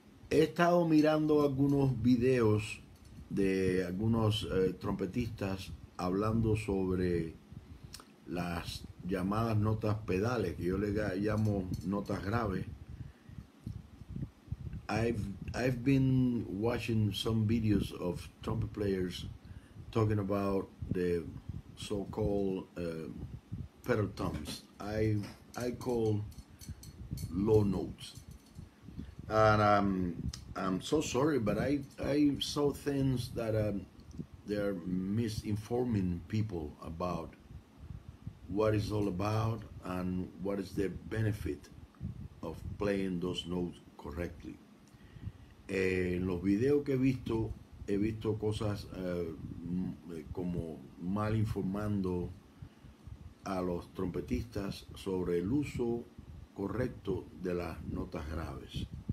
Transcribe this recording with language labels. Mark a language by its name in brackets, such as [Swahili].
[Spanish] He estado mirando algunos videos de algunos trompetistas hablando sobre las llamadas notas pedales, que yo le llamo notas graves. [English] I've been watching some videos of trumpet players talking about the so-called pedal toms. I call low notes. And I'm so sorry, but I saw things that they're misinforming people about what it's all about and what is the benefit of playing those notes correctly. [Spanish] En los videos que he visto cosas como mal informando a los trompetistas sobre el uso correcto de las notas graves.